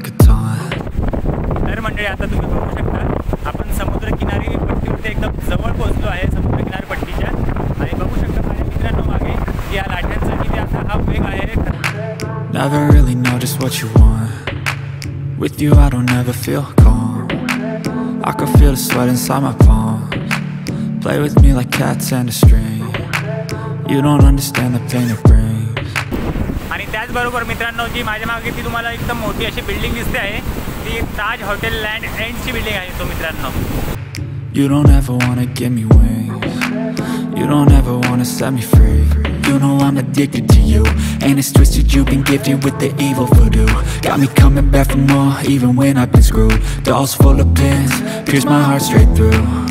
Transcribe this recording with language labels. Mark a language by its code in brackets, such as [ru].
[mr] तर मंडळी आता तुम्ही बघू शकता आपण समुद्र किनारी पट्टीवरती एकदम जवळ पोहोचलो आहे समुद्र किनारपट्टीच्या आणि बघू शकता माझ्या मित्रांनो मागे की या लाटांचा किती आता हा वेग आहे. [en] Never really know just what you want. With you I don't ever feel calm. I can feel the sweat inside my palms. play with me like cats and a string. You don't understand the pain it brings. [mr] आणि त्याचबरोबर मित्रांनो, जी माझ्या मागे ती तुम्हाला एकदम मोठी अशी बिल्डिंग दिसते आहे, ती ताज हॉटेल लँड एंडची बिल्डिंग आहे तो मित्रांनो. [en] You don't ever wanna give me wings. You don't ever wanna set me free. You know I'm addicted to you, and it's twisted, you've been gifted with the evil voodoo. Got me coming back for more, even when I've been screwed. Dolls full of pins, pierce my heart straight through.